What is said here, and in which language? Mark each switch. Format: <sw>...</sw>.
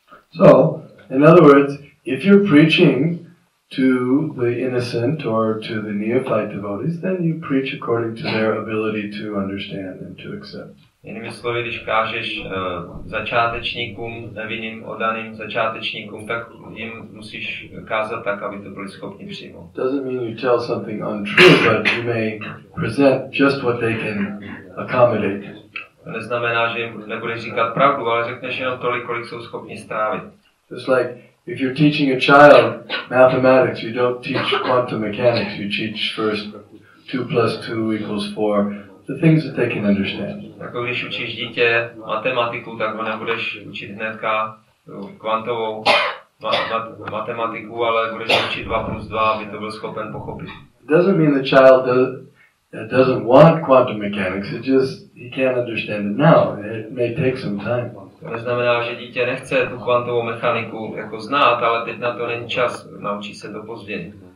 <en>So, in other words, if you're preaching to the innocent or to the neophyte devotees, then you preach according to their ability to understand and to accept.</en> <cs>Jinými slovy, když kážeš začátečníkům, nevinným, oddaným začátečníkům, tak jim musíš kázat tak, aby to byli schopni přijmout.</cs> <en>Doesn't mean you tell something untrue, but you may present just what they can accommodate.</en> <cs>To neznamená, že jim nebudeš říkat pravdu, ale řekneš jenom tolik, kolik jsou schopni strávit.</cs> <en>Just like if you're teaching a child mathematics, you don't teach quantum mechanics, you teach first 2 plus 2 equals 4. The things that they can understand.</en> <cs>Jako když učíš dítě matematiku, tak ho nebudeš učit hnedka kvantovou matematiku, ale budeš učit 2 plus 2, aby to byl schopen pochopit.</cs> <en>Doesn't mean the child doesn't want quantum mechanics, it just he can't understand it now. It may take some time.</en> <cs>To neznamená, že dítě nechce tu kvantovou mechaniku jako znát, ale teď na to není čas, naučí se to později.</cs>